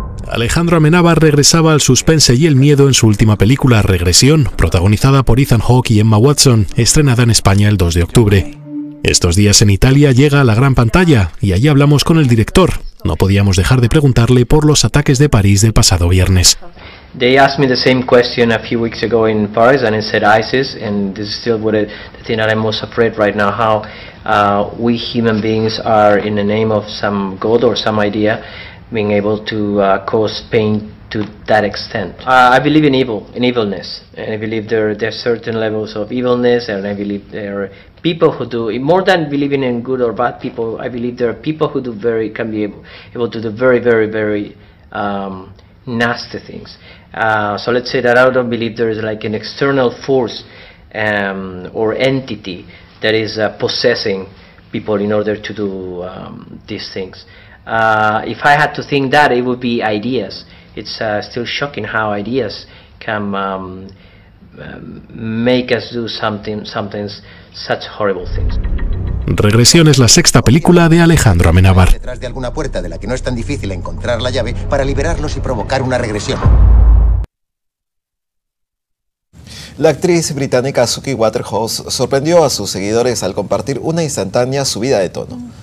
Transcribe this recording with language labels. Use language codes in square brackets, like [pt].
[es] Alejandro Amenábar regresaba al suspense y el miedo en su última película, Regresión, protagonizada por Ethan Hawke y Emma Watson, estrenada en España el 2 de octubre. Estos días en Italia llega a la gran pantalla y allí hablamos con el director. No podíamos dejar de preguntarle por los ataques de París del pasado viernes. [en] They asked me the same question a few weeks ago in Paris, and I said ISIS, and this is still what the thing that I'm most afraid right now. How we human beings are in the name of some god or some idea. Being able to cause pain to that extent. I believe in evil, in evilness, and I believe there are certain levels of evilness, and I believe there are people who do, more than believing in good or bad people, I believe there are people who can be able to do very, very, very nasty things. So let's say that I don't believe there is like an external force or entity that is possessing people in order to do these things. If I had to think that, it would be ideas. It's still shocking how ideas can make us do something such horrible things. [es] Regresión es la sexta película de Alejandro Amenábar. Detrás de alguna puerta de la que no es tan difícil encontrar la llave para liberarlos y provocar una regresión. La actriz británica Suki Waterhouse sorprendió a sus seguidores al compartir una instantánea subida de tono.